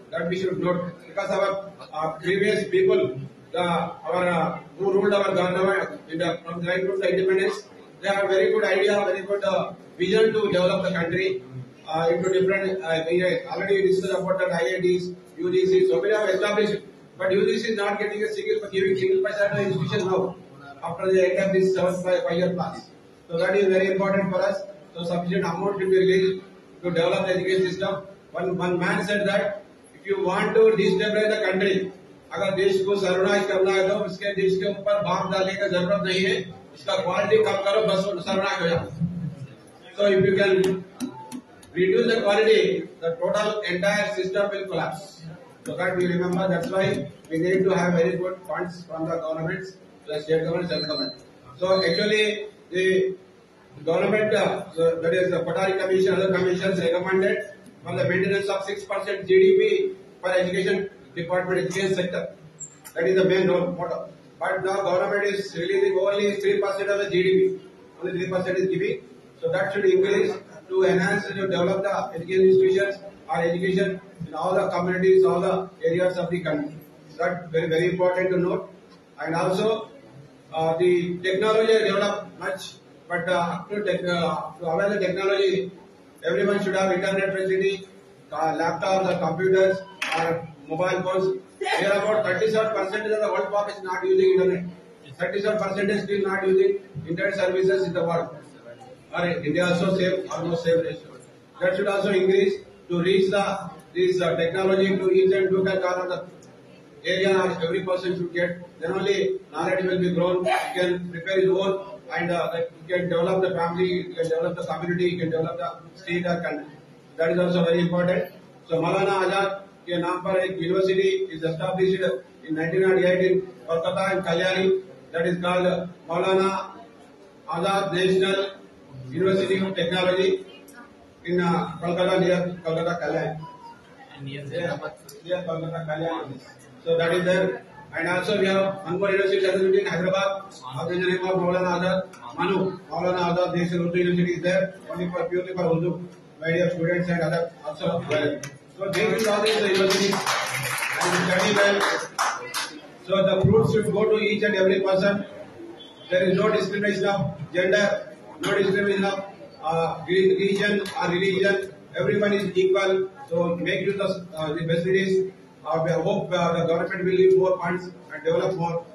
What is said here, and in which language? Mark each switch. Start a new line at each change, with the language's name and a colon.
English: That we should note, because our previous people, who ruled our government in the, from the time of the independence, they have very good idea, very good vision to develop the country into different already discussed about the IITs, UGC, so many have established. But UGC is not getting a single, giving single paisa to institution now after the end of this 5 year pass. So that is very important for us. So sufficient amount to be released to develop the education system. One man said that if you want to destabilize the country,
Hindi: अगर देश को सर्वनाश करना है तो इसके देश के ऊपर बांध डालने का जरूरत नहीं है, इसका क्वालिटी कम करो, बस सर्वनाश हो जाए.
English: So if you can reduce the quality, the total entire system will collapse. So that we remember, that's why we need to have very good funds from the governments, the state government, central government. So actually the government, that is the पटारी commission, other commission recommended for the maintenance of 6% GDP for education department, education sector. That is the main motto. But now government is releasing only 3% of the GDP. Only 3% is giving. So that should increase to enhance and to develop the education institutions or education in all the communities, all the areas of the country. That very, very important to note. And also, the technology has developed much, but to avail the technology, everyone should have internet facility, laptops or computers, or mobile phones. There are about 37% of the world population not using internet. 37% is still not using internet services in the world. Or India also same, almost same ratio. That should also increase to reach this technology to each and local corner of the area. Every person should get. Then only knowledge will be grown. You can prepare your own and you can develop the family, you can develop the community, you can develop the state or country. That is also very important. So Maulana Azad
Hindi: के नाम पर एक
English: University is established in 1998 in Kolkata and Kalyani, that is called Maulana Azad national university of technology in Kolkata near Kolkata Kalyani. So that is there. And also we have अनमोल university in Hyderabad, Maulana Azad MANUU, Maulana Azad national Urdu university is there only for purely for Urdu medium students and other also. So they will all in the university and study well. So the fruits should go to each and every person. There is no discrimination of gender, no discrimination of region or religion. Everyone is equal. So make use of the facilities. We hope the government will give more funds and develop more.